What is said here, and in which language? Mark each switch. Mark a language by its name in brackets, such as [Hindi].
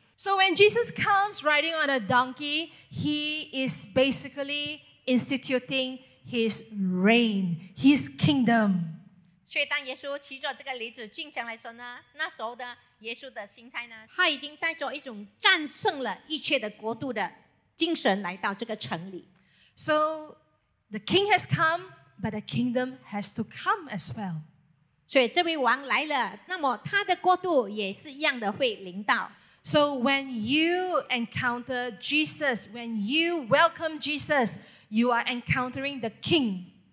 [English] So when Jesus comes riding on a donkey, he is basically instituting his reign, his kingdom. [Chinese] 所以当耶稣骑着这个驴子进城来说呢，那时候的耶稣的心态呢，他已经带着一种战胜了一切的国度的精神来到这个城里。 [English] So the king has come, but the kingdom has to come as well. [Chinese] 所以这位王来了，那么他的国度也是一样的会临到。 [English] So when you encounter Jesus, when you welcome Jesus, you are encountering the King.